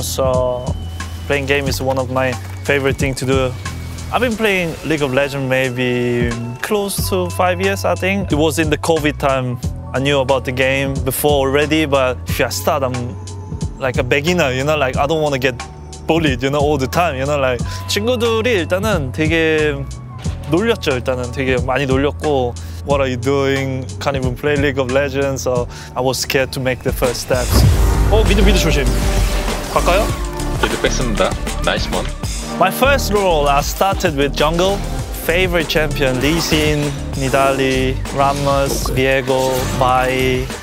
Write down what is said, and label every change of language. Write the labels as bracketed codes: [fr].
[en] So playing game is one of my favorite things to do. I've been playing League of Legends maybe close to 5 years, I think. It was in the COVID time. I knew about the game before already, but if I start, I'm like a beginner, you know? Like, I don't want to get bullied, you know, all the time, you know? [ko] Like, 친구들이 일단은 되게 놀렸죠, 일단은 되게 많이 놀렸고. [en] What are you doing? Can't even play League of Legends. So I was scared to make the first steps. [ko] Oh, 미드 조심. 갈까요? 미드 뺐습니다. [en] Nice one. My first role, I started with jungle. Favorite champion, Lee Sin, Nidalee, Rammus, Viego, Mai.